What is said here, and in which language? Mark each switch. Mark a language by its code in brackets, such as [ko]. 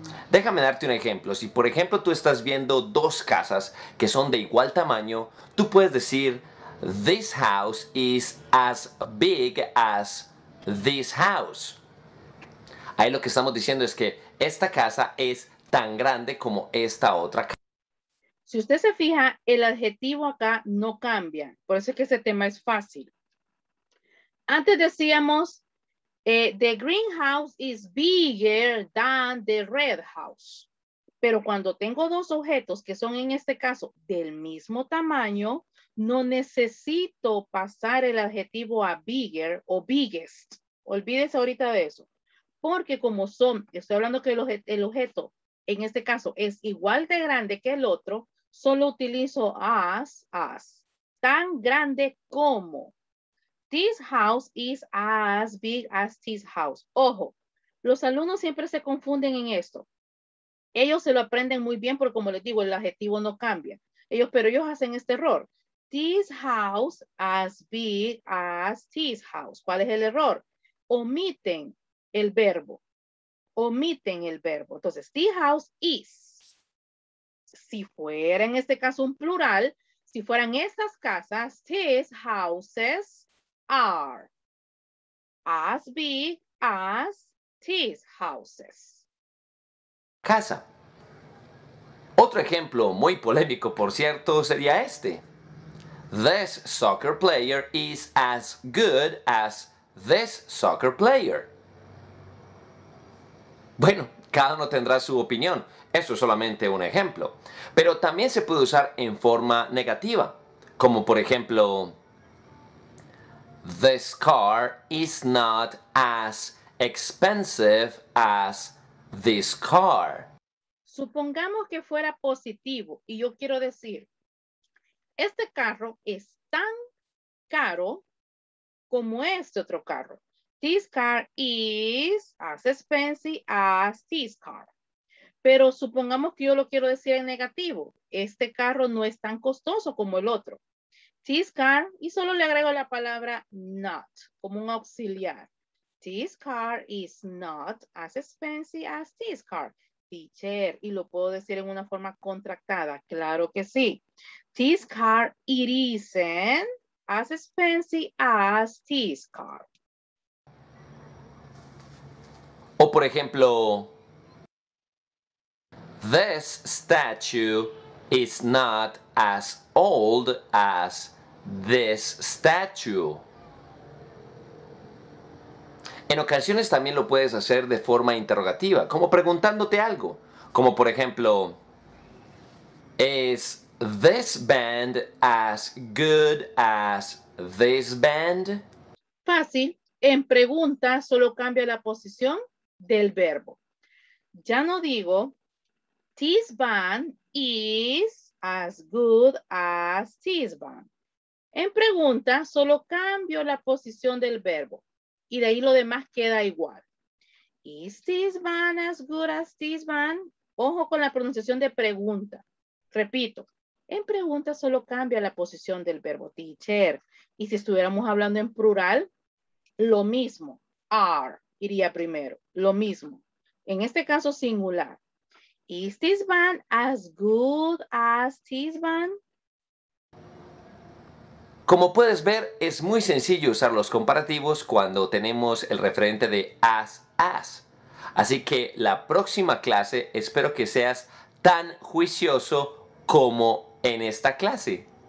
[es] Déjame darte un ejemplo. Si por ejemplo tú estás viendo dos casas que son de igual tamaño, tú puedes decir, [en] this house is as big as this house. [es] Ahí lo que estamos diciendo es que esta casa es tan grande como esta otra casa. Si usted se fija, el adjetivo acá no cambia. Por eso es que ese tema es fácil. [en] Antes decíamos, the green house is bigger than the red house. [es] Pero cuando tengo dos objetos que son en este caso del mismo tamaño, no necesito pasar el adjetivo a bigger o biggest. Olvídese ahorita de eso. Porque como son, estoy hablando que el objeto en este caso es igual de grande que el otro, solo utilizo as, tan grande como. [en] This house is as big as this house. [es] Ojo, los alumnos siempre se confunden en esto. Ellos se lo aprenden muy bien porque como les digo, el adjetivo no cambia. Pero ellos hacen este error. [en] This house as big as this house. [es] ¿Cuál es el error? Omiten el verbo. Entonces, [en] this house is. [es] Si fuera en este caso un plural, si fueran estas casas, [en] these houses are as big as these houses. [es] Casa. Otro ejemplo muy polémico, por cierto, sería este. [en] This soccer player is as good as this soccer player. [es] Bueno, cada uno tendrá su opinión. Eso es solamente un ejemplo. Pero también se puede usar en forma negativa. Como por ejemplo, [en] this car is not as expensive as this car. [es] Supongamos que fuera positivo y yo quiero decir, este carro es tan caro como este otro carro. [en] This car is as expensive as this car. [es] Pero supongamos que yo lo quiero decir en negativo. Este carro no es tan costoso como el otro. [en] This car, [es] y solo le agrego la palabra not, como un auxiliar. [en] This car is not as expensive as this car. [es] Teacher, y lo puedo decir en una forma contractada. Claro que sí. [en] This car, it isn't as expensive as this car. [es] O por ejemplo, [en] this statue is not as old as this statue. [es] En ocasiones también lo puedes hacer de forma interrogativa, como preguntándote algo. Como por ejemplo, [en] is this band as good as this band? [es] Fácil, en pregunta solo cambia la posición del verbo. Ya no digo, [en] this band is as good as this band. [es] En pregunta, solo cambio la posición del verbo y de ahí lo demás queda igual. [en] Is this band as good as this band? [es] Ojo con la pronunciación de pregunta. Repito, en pregunta solo cambio la posición del verbo, teacher. Y si estuviéramos hablando en plural, lo mismo, are. Iría primero. Lo mismo. En este caso, singular. [en] Is this van as good as this van? [es] Como puedes ver, es muy sencillo usar los comparativos cuando tenemos el referente de as. Así que la próxima clase, espero que seas tan juicioso como en esta clase.